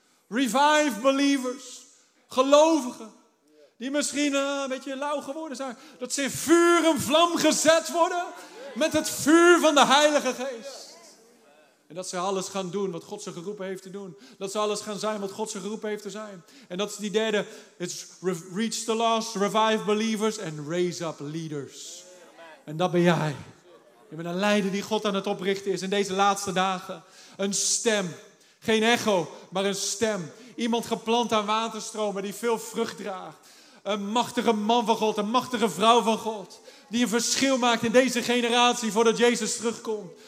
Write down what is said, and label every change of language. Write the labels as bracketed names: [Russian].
[English] Revive believers. [Dutch] Gelovigen. Die misschien een beetje lauw geworden zijn. Dat ze in vuur en vlam gezet worden. Met het vuur van de Heilige Geest. En dat ze alles gaan doen wat God ze geroepen heeft te doen. Dat ze alles gaan zijn wat God ze geroepen heeft te zijn. En dat is die derde. [English] It's reach the lost, revive believers and raise up leaders. [Dutch] En dat ben jij. Je bent een leider die God aan het oprichten is in deze laatste dagen. Een stem. Geen echo, maar een stem. Iemand geplant aan waterstromen die veel vrucht draagt. Een machtige man van God, een machtige vrouw van God. Die een verschil maakt in deze generatie voordat Jezus terugkomt.